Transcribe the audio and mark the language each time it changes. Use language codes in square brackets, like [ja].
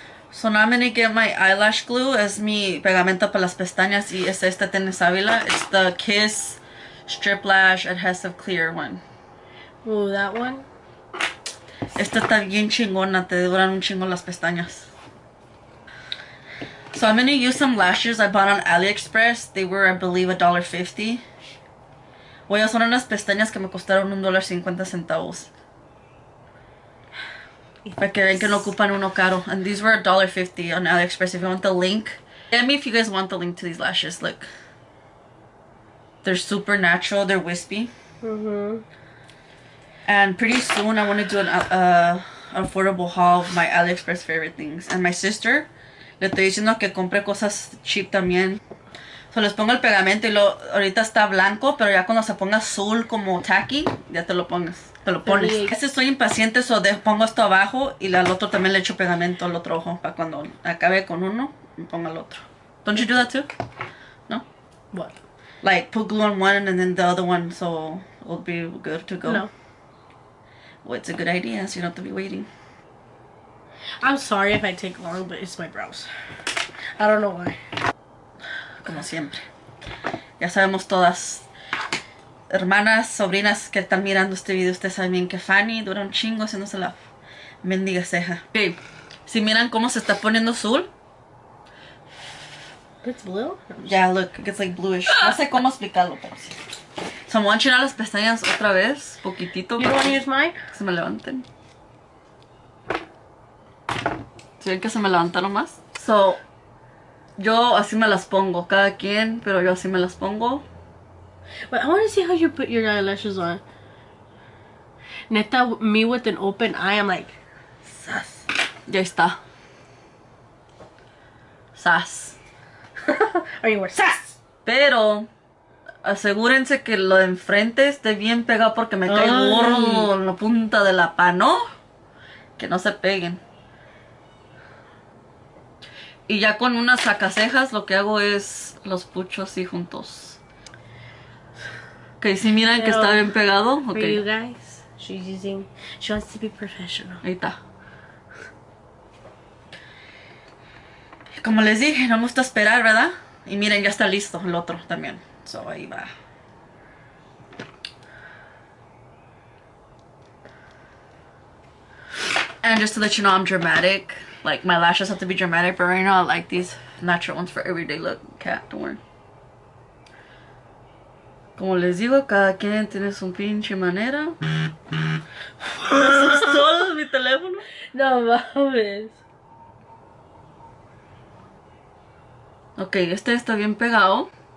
[en] So, now I'm gonna get my eyelash glue. [es] Es mi pegamento para las pestañas y es este tiene sábila. [en] It's the Kiss Strip Lash Adhesive Clear one. Ooh, that one. [es] Esta está bien chingona, te duran un chingo las pestañas. [en] So I'm gonna use some lashes I bought on AliExpress. They were, I believe, $1.50. [es] Voy a usar unas pestañas que me costaron $1.50. Para que vean que no ocupan uno caro. [en] And these were $1.50 on AliExpress. If you want the link, let me if you guys want the link to these lashes. Look, they're super natural, they're wispy. And pretty soon, I want to do an affordable haul of my AliExpress favorite things. And my sister, [es] le estoy diciendo que compre cosas cheap también. So les pongo el pegamento y lo ahorita está blanco, pero ya cuando se ponga azul como tacky, ya te lo pones. Te lo pones. Sí. Este estoy impaciente, so de, pongo esto abajo y al otro también le echo pegamento al otro ojo para cuando acabe con uno, me ponga el otro. [en] Don't you do that too? No? What? Like put glue on one and then the other one so it'll be good to go. No. Well, it's a good idea, so you don't have to be waiting. I'm sorry if I take long, but it's my brows. I don't know why. [es] Como siempre. Ya sabemos todas, hermanas, sobrinas que están mirando este video, ustedes saben bien que Fanny dura un chingo haciéndose la mendiga ceja. Babe, si miran cómo se está poniendo azul. [en] It's blue? Yeah, look, it's like bluish. [es] No sé cómo explicarlo, pero sí. [en] So I'm watching out [es] las pestañas otra vez, poquitito. [en] You want to use mine? [es] Se me levanten. ¿Sí ven que se me levantaron más? So, yo así me las pongo, cada quien, pero yo así me las pongo. [en] But I want to see how you put your eyelashes on. Neta, me with an open eye, I'm like, sas. [es] Ya está. Sas. [en] Are you worse? Sas. [es] Pero... asegúrense que lo de enfrente esté bien pegado porque me cae gordo en la punta de la pano. Que no se peguen. Y ya con unas sacasejas lo que hago es los pucho así juntos. Ok, si miran pero, que está bien pegado. Ok. [en] You guys, she's using, she wants to be professional. [es] Ahí está. Y como les dije, no me gusta esperar, ¿verdad? Y miren, ya está listo el otro también. So, ahí va. [en] And just to let you know, I'm dramatic. Like, my lashes have to be dramatic, but right now I like these natural ones for everyday look. Cat, don't worry. [es] Como les digo, cada quien tiene su pinche manera. ¿Eso es todo mi teléfono? No, mames. Ok, este está bien pegado.